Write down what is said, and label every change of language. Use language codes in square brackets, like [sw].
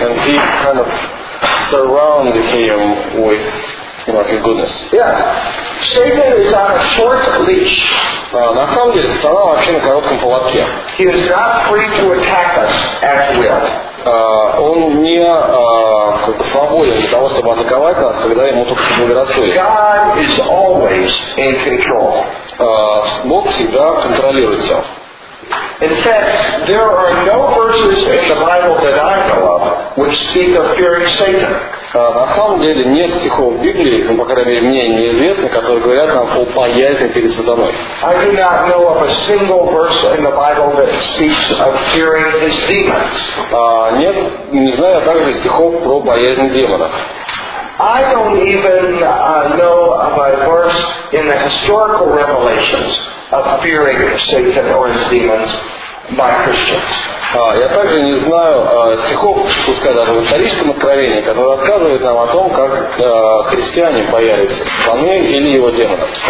[en] And he kind of surrounded him with, you know, his goodness. Yeah. Satan is on a short leash. [ru] На самом деле, сатана вообще на коротком поводке. [en] He is not free to attack us at will. [ru] Он не как бы свободен для того, чтобы атаковать нас, когда ему только благорассудит. [en] God is always in control. [ru] Бог всегда контролирует все. [en] In fact, there are no verses in the Bible that I know of which speak of fearing Satan. [ru] На самом деле нет стихов в Библии, ну, по крайней мере, мне неизвестны, которые говорят нам о боязни перед сатаной. [en] I do not know of a single verse in the Bible that speaks of fearing his demons. [ru] Нет, не знаю также стихов про боязнь демонов. [en] I don't even know of a verse in the historical revelations of fearing Satan or his demons by Christians. [ru] Я также не знаю стихов, пускай даже в историческом откровении, которые рассказывают нам о том, как христиане боялись сатаны или его демонов.